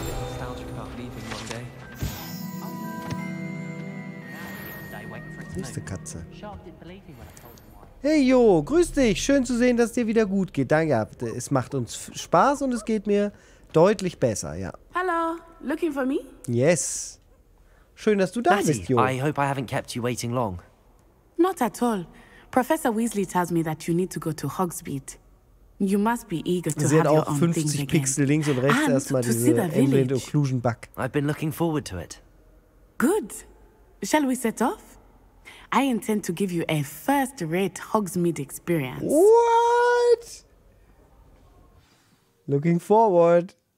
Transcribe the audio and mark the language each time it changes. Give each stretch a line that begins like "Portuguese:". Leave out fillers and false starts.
English: Nostalgic about leaving one day.
German: Nächste Katze. Hey Jo, grüß dich. Schön zu sehen, dass es dir wieder gut geht. Danke. Es macht uns Spaß und es geht mir deutlich besser, ja.
English: Hello, looking for me? Yes.
German: Schön, dass du da bist, Jo.
English: I hope I haven't kept you waiting long. Not at all. Professor Weasley tells me that you need to go to Hogsmeade. You must be eager to
German: see auch 50 Pixel links und rechts erstmal diese Ambient Occlusion Bug.
English: I've been looking forward to it. Good. Shall we set off? I intend to give you a first-rate Hogsmeade experience. What? Looking forward.